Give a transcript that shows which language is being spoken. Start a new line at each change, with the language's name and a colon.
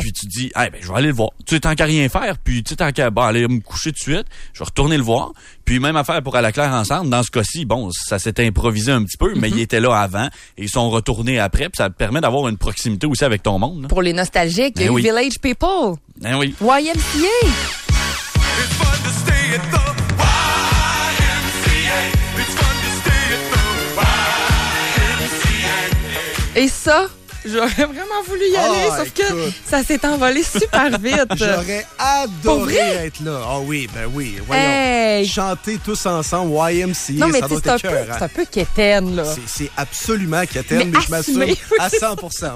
French: Puis tu dis, hey, ben, je vais aller le voir. Tu sais, tant qu'à rien faire, puis tu sais, tant qu'à aller me coucher tout de suite, je vais retourner le voir. Puis même affaire pour À la Claire Ensemble. Dans ce cas-ci, bon, ça s'est improvisé un petit peu, mais ils étaient là avant et ils sont retournés après. Puis ça te permet d'avoir une proximité aussi avec ton monde. Là. Pour les nostalgiques, Village People. Ben oui. YMCA.
English: It's fun to stay at the YMCA. It's fun to stay at the YMCA.
French: Et ça, j'aurais vraiment voulu y aller, sauf que ça s'est envolé super vite. J'aurais adoré être là. Ah oh oui, ben oui. Voyons. Hey. Chanter tous ensemble YMCA, non, mais ça doit être cœur. C'est un peu quétaine, là. C'est absolument quétaine, mais je m'assume à 100%.